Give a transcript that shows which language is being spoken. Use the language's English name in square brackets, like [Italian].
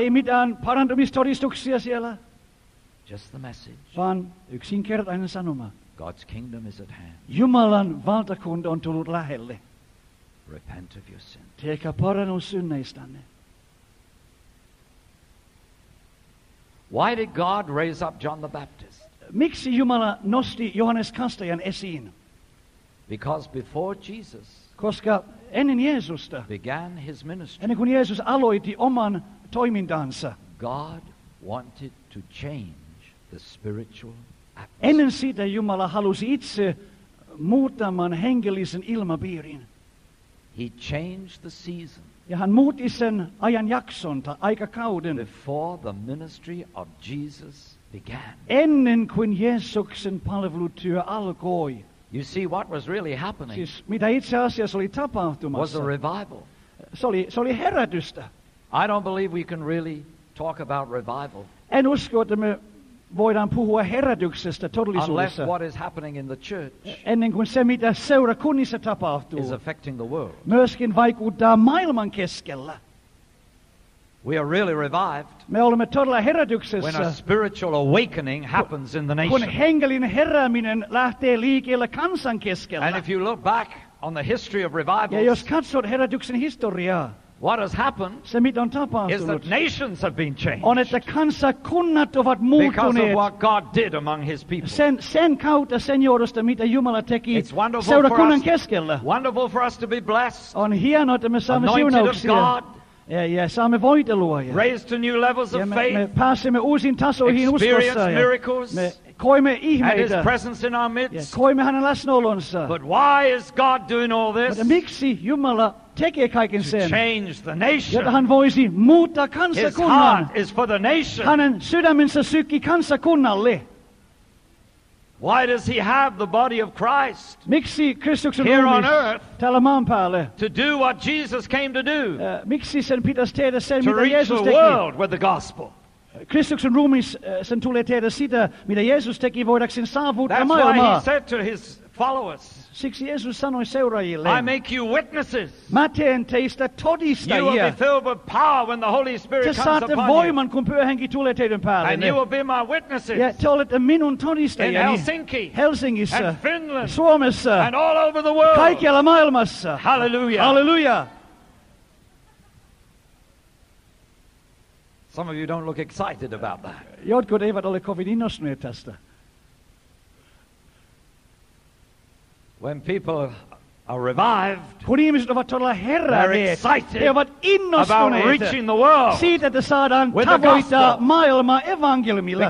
[Finnish] Ei mitään parantumistodistuksia siellä. [English] Just the message. [Finnish] Vaan yksinkertainen sanoma. [English] God's kingdom is at hand. [Finnish] Jumalan valtakunta on tullut lähelle. [English] Repent of your sin. [Finnish] Tehkää parannus synneistänne. [English] Why did God raise up John the Baptist? [Finnish] Miksi Jumala nosti Johannes Kastajan esiin? [English] Because before Jesus. [Finnish] Koska ennen Jeesusta. [English] Began his ministry. [Finnish] Ennen kuin Jeesus aloitti oman toimintansa. [English] God wanted to change the spiritual atmosphere. [Finnish] Ennen sitä Jumala halusi itse muuttamaan hengellisen ilmapiirin. [English] He changed the season. [Finnish] Ja hän muutti sen ajanjakson tai aikakauden. [English] Before the ministry of Jesus began. [Finnish] Ennen kuin Jeesuksen palvelutyö alkoi. [English] You see what was really happening. [Finnish] Siis mitä itse asiassa oli tapahtumassa. [English] Was a revival. [Finnish] Se oli herätystä. [English] I don't believe we can really talk about revival. [Finnish] En usko, että me voidaan puhua herätyksestä todellisuudessa. [English] Unless what is happening in the church. [Finnish] Ennen kuin se, mitä seurakunnissa tapahtuu. [English] Is affecting the world. [Finnish] Myöskin vaikuttaa maailman keskellä. [English] We are really revived. [Finnish] Me olemme todella herätyksessä. [English] When a spiritual awakening happens in the nation. [Finnish] Kun hengellinen herääminen lähtee liikkeelle kansan keskellä. [English] And if you look back on the history of revivals. [Finnish] Ja jos katsot herätyksen historiaa. [English] What has happened? [Finnish] Se mitä on tapahtunut. [English] Is that nations have been changed. [Finnish] On että kansakunnat ovat muuttuneet. [English] Because of what God did among his people. [Finnish] Sen kautta sen johdosta mitä Jumala teki. [English] It's wonderful [Finnish] seurakunnan keskellä. [English] Wonderful for us to be blessed. [Finnish] On hienoa että me saamme siunauksia. [English] Anointed of God. [Finnish] Ja saamme voitelua. Ja. [English] Raised to new levels of faith. [Finnish] Me pääsemme uusiin tasoihin uskossa. [English] Miracles. [Finnish] Me koimme ihmeitä. [English] And his presence in our midst. [Finnish] Ja koimme hänen läsnäolonsa. [English] But why is God doing all this? [Finnish] Mutta miksi Jumala tekee kaiken sen, [English] change the nation. [Finnish] Jotta hän voisi muuttaa kansakunnan. [English] His heart is for the nation. [Finnish] Hänen sydämensä sykki kansakunnalle. [English] Why does he have the body of Christ [Finnish] miksi Kristuksen [English] here on earth [Finnish] tällä maan päälle, [English] to do what Jesus came to do? [Finnish] Miksi sen pitäisi tehdä sen, [English] to reach [Finnish] Jeesus [English] the world with the gospel. [Finnish] Kristuksen ruumis sen tulee tehdä sitä, mitä Jeesus teki voidakseen saavuttaa maailmaa. [English] That's why he said to his followers. [Finnish] Siksi Jeesus sanoi seuraajille. [English] I make you witnesses. [Finnish] Mä teen teistä todistajia. [English] You will be filled with power when the Holy Spirit comes upon you. [Finnish] Te saatte voiman, kun Pyhä Henki tulee teidän päälle. [English] And you will be my witnesses. [Finnish] Ja te olette minun todistajia. [English] In Helsinki. [Finnish] Helsingissä. [English] And Finland. [Finnish] Suomessa. [English] And all over the world. [Finnish] Kaikkialla maailmassa. [English] Hallelujah. [Finnish] Hallelujah. [English] Some of you don't look excited about that. [Finnish] Jotkut eivät ole kovin innostuneet tästä. [English] When people are revived, [Finnish] kun ihmiset ovat todella heränneet, he ovat innostuneet siitä, että saadaan tavoittaa maailmaa evankeliumilla.